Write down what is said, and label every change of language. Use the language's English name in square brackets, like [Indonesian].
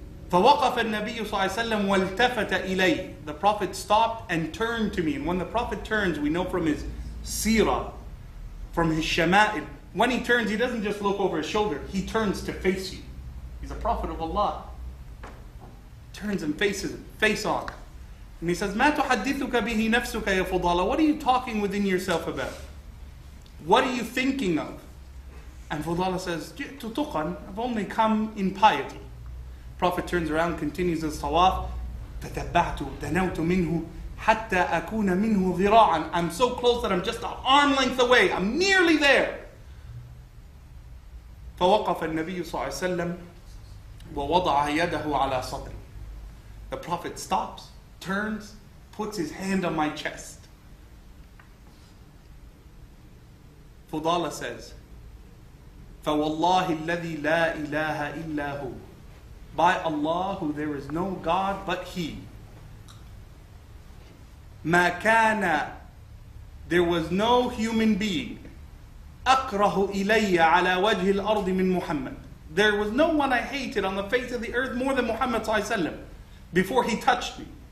[Arabic] فَوَقَفَ النَّبِيُّ صَلَّى اللَّهُ عَلَيْهِ وَسَلَّمَ وَالْتَفَتَ إِلَيْهِ. [English] The Prophet stopped and turned to me. And when the Prophet turns, we know from his seerah, from his shama'il, when he turns, he doesn't just look over his shoulder. He turns to face you. He's a Prophet of Allah. Turns and faces him, face on. And he says, [Arabic] مَا تُحَدِّثُكَ بِهِ نَفْسُكَ يَا فُضَالَ. [English] What are you talking within yourself about? What are you thinking of? And Fudala says, [Arabic] جِئْتُ تُقَنْ. [English] I've only come in piety. Prophet turns around, continues his tawaf. [Arabic] تَتَبَّعْتُ دَنَوْتُ مِنْهُ حَتَّى أَكُونَ مِنْهُ ذِرَاعًا. [English] I'm so close that I'm just an arm length away. I'm nearly there. [Arabic] فَوَقَفَ النَّبِيُّ صَلَّى اللَّهُ عَلَيْهِ وَسَلَّمَ وَوَضَعَ يَدَهُ عَلَى صَدْرِ. [English] The Prophet stops, turns, puts his hand on my chest. Fudala says, [Arabic] فَوَاللَّهِ الَّذِي لَا إِلَهَ إِلَّا هُوَ. [English] By Allah, who there is no God but He. [Arabic] مَا كَانَ. [English] There was no human being. [Arabic] أَقْرَهُ إِلَيَّ عَلَى وَجْهِ الْأَرْضِ مِنْ مُحَمَّدٍ. [English] There was no one I hated on the face of the earth more than Muhammad [Arabic] صلى الله عليه وسلم, [English] before he touched me.